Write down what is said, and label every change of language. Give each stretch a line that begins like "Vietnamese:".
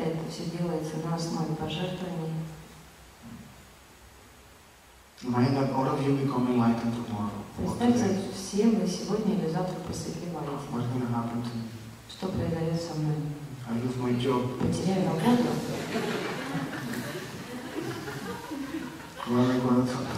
Russian: Это все делается на основе пожертвований.
English: Mind that all of you become enlightened tomorrow.
Russian: Представьте, все вы сегодня или завтра просветлеваете.
English: What's going to happen to me?
Russian: Что произойдет со мной?
English: I lose my job.
Russian: Потеряю работу.
English: Where am I going to?